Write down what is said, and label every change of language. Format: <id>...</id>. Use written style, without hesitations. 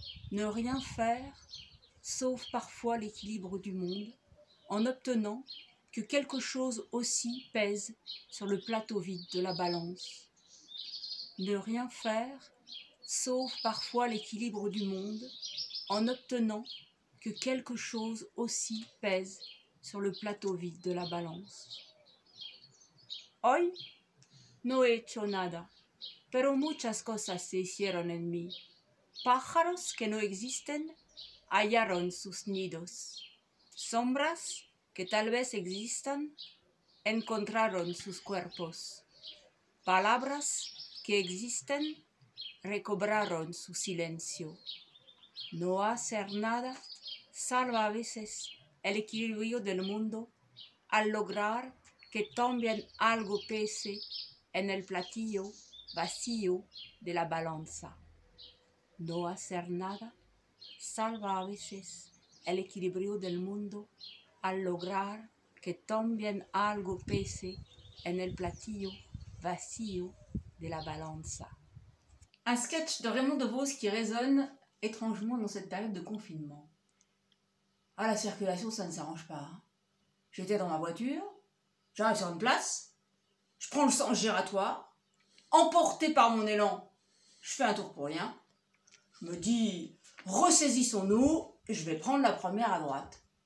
<fr>Ne rien faire sauve parfois l'équilibre du monde en obtenant que quelque chose aussi pèse sur le plateau vide de la balance. Ne rien faire sauve parfois l'équilibre du monde en obtenant que quelque chose aussi pèse sur le plateau vide de la balance.</fr> <es>Hoy no he hecho nada, pero muchas cosas se hicieron en mí. Pájaros que no existen hallaron sus nidos. Sombras que tal vez existan encontraron sus cuerpos. Palabras que existen, recobraron su silencio. No hacer nada salva a veces el equilibrio del mundo al lograr que también algo pese en el platillo vacío de la balanza. No hacer nada salva a veces el equilibrio del mundo al lograr que también algo pese en el platillo vacío de la balanza.</es> <fr>Un sketch de Raymond Devos qui résonne étrangement dans cette période de confinement. Ah, la circulation, ça ne s'arrange pas. J'étais dans ma voiture, j'arrive sur une place, je prends le sens giratoire, emporté par mon élan, je fais un tour pour rien, je me dis, ressaisissons-nous, je vais prendre la première à droite.</fr>